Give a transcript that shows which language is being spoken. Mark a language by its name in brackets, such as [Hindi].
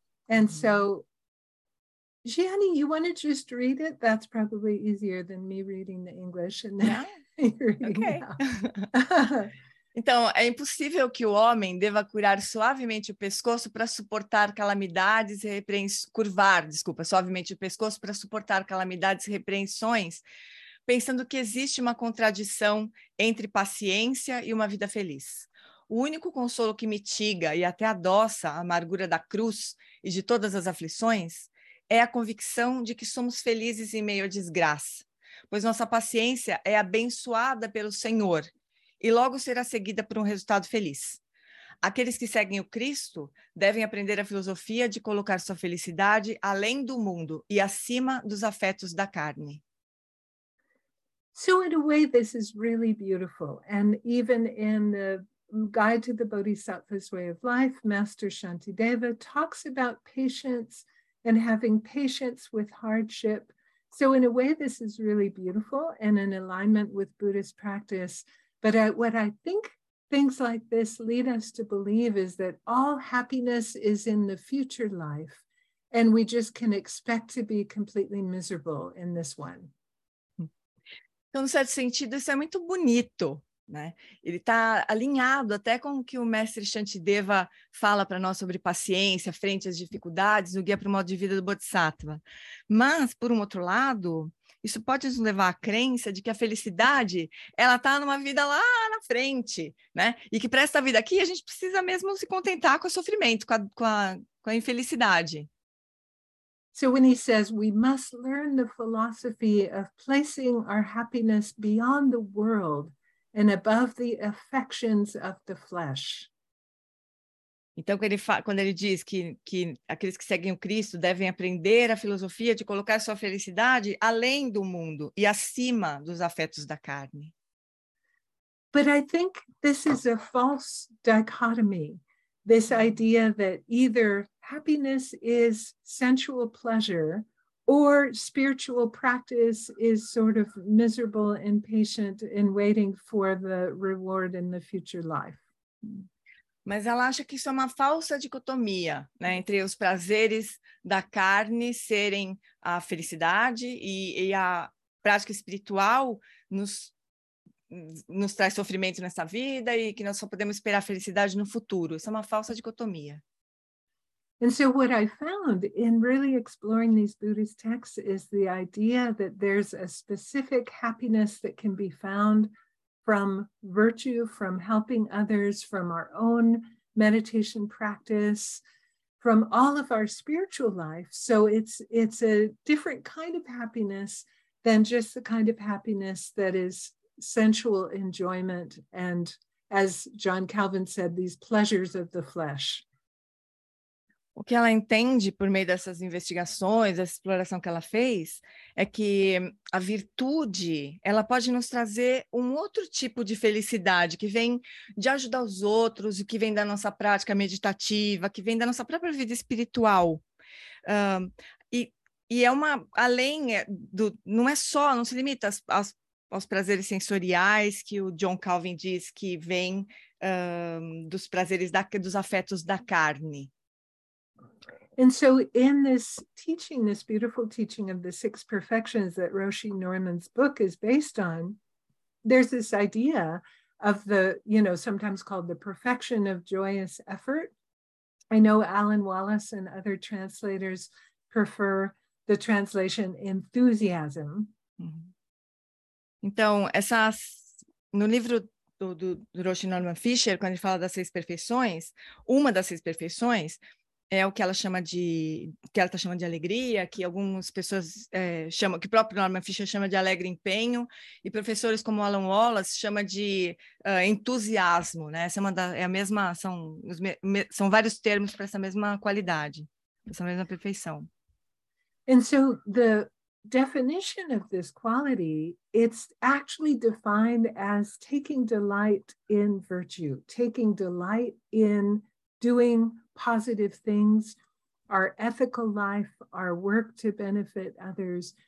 [English] And so Gianni, you want to just read it? That's probably easier than me reading the English and then reading it. [Portuguese] Então, é impossível que o homem deva curar suavemente o pescoço para suportar calamidades e repreensões, pensando que existe uma contradição entre paciência e uma vida feliz. O único consolo que mitiga e até adoça a amargura da cruz e de todas as aflições é a convicção de que somos felizes em meio à desgraça, pois nossa paciência é abençoada pelo Senhor, e logo será seguida por resultado feliz. Aqueles que seguem o Cristo devem aprender a filosofia de colocar sua felicidade além do mundo e acima dos afetos da carne. [English] So in a way, this is really beautiful. And even in the Guide to the Bodhisattva's Way of Life, Master Shantideva talks about patience and having patience with hardship. So in a way, this is really beautiful and in alignment with Buddhist practice. But what I think things like this lead us to believe is that all happiness is in the future life and we just can expect to be completely miserable in this one. [Portuguese] Então, no certo sentido, isso é muito bonito, né? Ele está alinhado até com o que o mestre Shantideva fala para nós sobre paciência, frente às dificuldades, o guia para o modo de vida do Bodhisattva. Mas, por um outro lado, isso pode nos levar à crença de que a felicidade, ela está numa vida lá na frente, né? E que para essa vida aqui, a gente precisa mesmo se contentar com o sofrimento, com a infelicidade. [English] So when he says we must learn the philosophy of placing our happiness beyond the world and above the affections of the flesh. [Portuguese] Então, quando ele diz que aqueles que seguem o Cristo devem aprender a filosofia de colocar sua felicidade além do mundo e acima dos afetos da carne. [English] But I think this is a false dichotomy, this idea that either happiness is sensual pleasure or spiritual practice is sort of miserable and patient and waiting for the reward in the future life. [Portuguese] Mas ela acha que isso é uma falsa dicotomia, né, entre os prazeres da carne serem a felicidade e a prática espiritual nos traz sofrimento nessa vida e que nós só podemos esperar a felicidade no futuro. Isso é uma falsa dicotomia. [English] And so what I found in really exploring these Buddhist texts is the idea that there's a specific happiness that can be found from virtue, from helping others, from our own meditation practice, from all of our spiritual life. So it's a different kind of happiness than just the kind of happiness that is sensual enjoyment and, as John Calvin said, these pleasures of the flesh. [Portuguese] O que ela entende por meio dessas investigações, dessa exploração que ela fez, é que a virtude, ela pode nos trazer um outro tipo de felicidade, que vem de ajudar os outros, que vem da nossa prática meditativa, que vem da nossa própria vida espiritual. E é uma, além do, não é só, não se limita aos prazeres sensoriais, que o John Calvin diz que vem dos prazeres, dos afetos da carne. [English] And so in this teaching, this beautiful teaching of the six perfections that Roshi Norman's book is based on, there's this idea of the, you know, sometimes called the perfection of joyous effort. I know Alan Wallace and other translators prefer the translation enthusiasm. Mm-hmm. [Portuguese] Então, no livro do Roshi Norman Fisher, quando ele fala das seis perfeições, uma das seis perfeições é o que ela chama de, que ela está chamando de alegria, que algumas pessoas chamam, que o próprio Norman Fisher chama de alegre empenho, e professores como Alan Wallace chama de entusiasmo, né? Essa é a mesma, são vários termos para essa mesma qualidade, essa mesma perfeição. [English] And so the definition of this quality, it's actually defined as taking delight in virtue, taking delight in doing positive things, our ethical life, our work to benefit others.